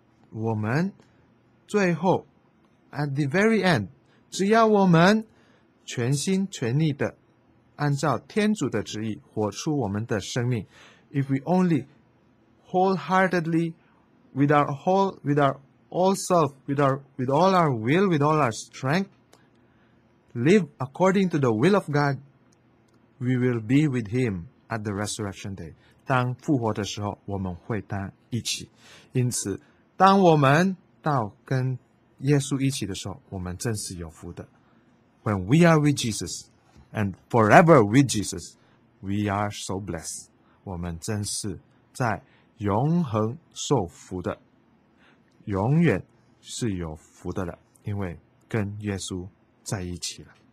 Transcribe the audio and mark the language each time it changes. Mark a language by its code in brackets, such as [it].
[zh] 我们最后 [en] at the very end， [zh] 只要我们全心全力的按照天主的旨意活出我们的生命， [en] if we only wholeheartedly with all our will, with all our strength live according to the will of God， we will be with him at the resurrection day， [zh] 当复活的时候我们会当一起。因此当我们到跟耶稣一起的时候，我们真是有福的。 [en] When we are with Jesus, and forever with Jesus, we are so blessed. [zh] 我们真是在永恒受福的，永远是有福的了，因为跟耶稣在一起了。